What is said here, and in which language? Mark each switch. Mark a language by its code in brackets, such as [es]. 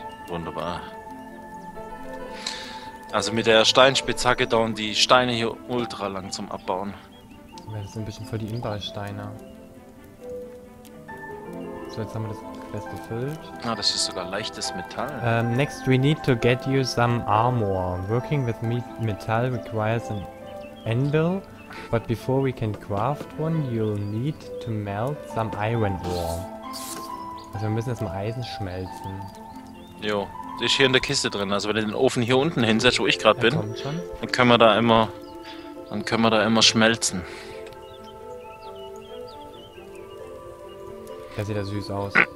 [de] Wunderbar. Also mit der Steinspitzhacke dauern die Steine hier ultra lang zum Abbauen. Das sind ein bisschen voll die Inbar-Steine. So, jetzt haben wir das fest gefüllt. Ah, das ist sogar leichtes Metall. [en] Next we need to get you some armor. Working with metal requires an anvil, but before we can craft one, you'll need to melt some iron ore. [de] Also wir müssen jetzt mal Eisen schmelzen. Jo, das ist hier in der Kiste drin. Also wenn du den Ofen hier unten hinsetzt, wo ich gerade bin, dann können wir da immer... Dann können wir da immer schmelzen. Der sieht ja süß aus.